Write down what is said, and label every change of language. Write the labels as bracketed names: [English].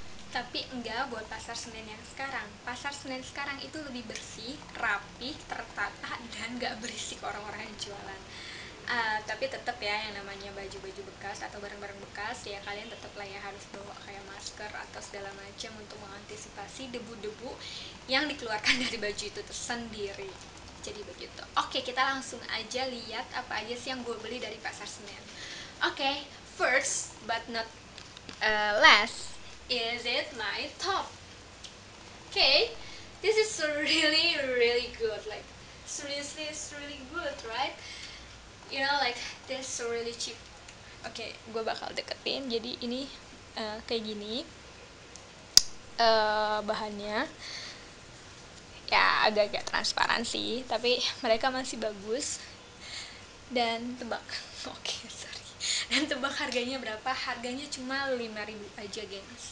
[Indonesian] Tapi enggak buat Pasar Senen yang sekarang. Pasar Senen sekarang itu lebih bersih, rapi, tertata, dan enggak berisik orang-orang yang jualan. Tapi tetap ya, yang namanya baju-baju bekas atau barang-barang bekas, ya kalian tetap lah ya harus bawa kayak masker atau segala macam untuk mengantisipasi debu-debu yang dikeluarkan dari baju itu tersendiri. Jadi begitu. Oke, kita langsung aja lihat apa aja sih yang gue beli dari Pasar Senen. [English] Oke, first but not last, is it my top? Okay, this is really really good. Like seriously, it's really good, right? You know, like this really cheap. [Indonesian] Okay, gue bakal deketin. Jadi ini kayak gini bahannya. Ya agak-agak transparan sih, tapi mereka masih bagus. Dan tebak. Okay. Dan tebak harganya berapa? Harganya cuma 5.000 aja, gengs.